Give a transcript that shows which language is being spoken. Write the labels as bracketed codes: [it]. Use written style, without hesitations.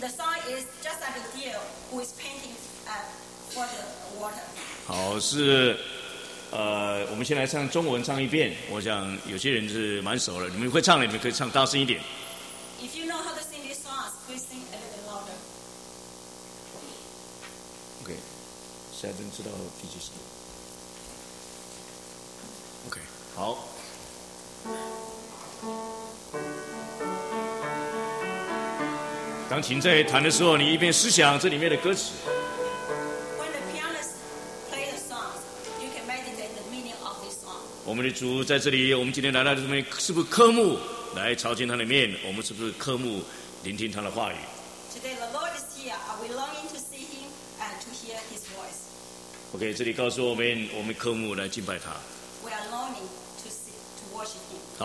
[en] The song is just like a deer who is panting for the water. [zh] 好，是我们先来唱中文，唱一遍。我想有些人是蛮熟了，你们会唱的，你们可以唱大声一点。 [en] If you know how to sing these songs, please sing a little louder. OK. [zh] 现在真知道第几首 ？OK， 好。钢琴在弹的时候，你一边思想这里面的歌词。 [en] When the pianist plays the song, you can meditate the meaning of this song. [zh] 我们的主在这里，我们今天来到这边，是不是渴慕来朝见他的面？我们是不是渴慕聆听他的话语 [en] ？Today the Lord is here. Are we longing to see Him and to hear His voice? [zh] OK， 这里告诉我们，我们科目来敬拜他。 [en] We are longing to see, to worship him.